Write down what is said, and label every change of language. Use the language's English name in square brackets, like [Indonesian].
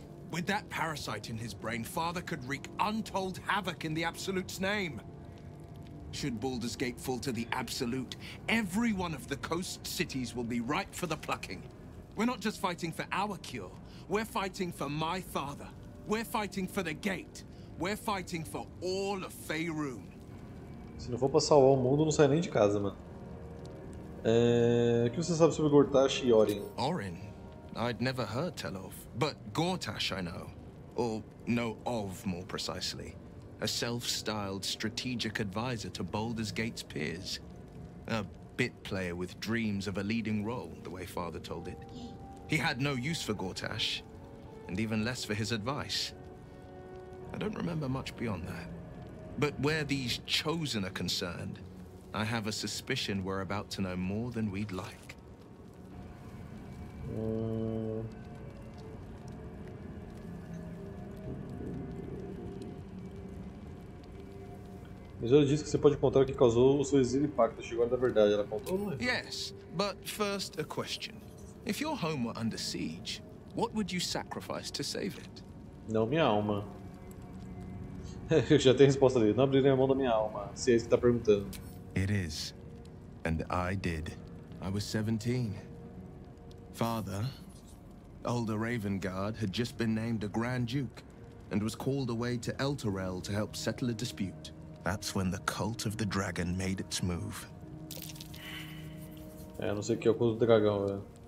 [English] With that parasite in his brain, Father could wreak untold havoc in the Absolute's name. Should Baldur's Gate fall to the Absolute, every one of the coast cities will be ripe for the plucking. We're not just fighting for our cure. We're fighting for my father. We're fighting for the gate. We're fighting for all of Faerun. [Portuguese] Se não for pra salvar o mundo, não sai nem de casa, mano. É... O que você sabe sobre Gortash e Orin? [English] Orin? I'd never heard tell of. But Gortash I know. Or know of, more precisely. A self-styled strategic advisor to Baldur's Gate's peers. A bit player with dreams of a leading role, the way Father told it. He had no use for Gortash, and even less for his advice. I don't remember much beyond that. But where these chosen are concerned, I have a suspicion we're about to know more than we'd like. [Portuguese] Mas ela disse que você pode contar o que causou o seu exílio impacto. Chegou a da verdade, ela contou, não é? [English] Yes, but first a question. If your home were under siege, what would you sacrifice to save it? [Portuguese] Não, minha alma. Eu já tenho a resposta dele. Não abrirei a mão da minha alma, se é isso que tá perguntando. [English] It is. And I did. I was 17. Father, older Ravengard, had just been named a Grand Duke and was called away to Elturel to help settle a dispute. That's when the cult of the dragon made its move. [Portuguese] É, não sei o que é o culto do dragão, velho.